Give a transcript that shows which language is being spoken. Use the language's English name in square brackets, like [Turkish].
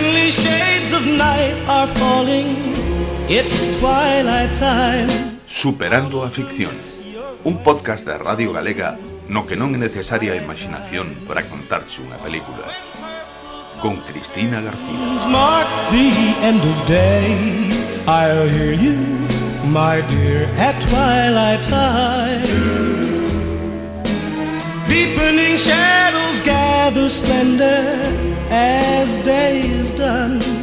[English] shades of night are falling. It's twilight time. [Galician] Superando a ficción. Un podcast de Radio Galega no que non é necesaria imaginación para contarse unha película. Con Cristina García. [English] Mark the end of day. I'll hear you, my dear, at twilight time. Deepening shadows gather splendor as day is done.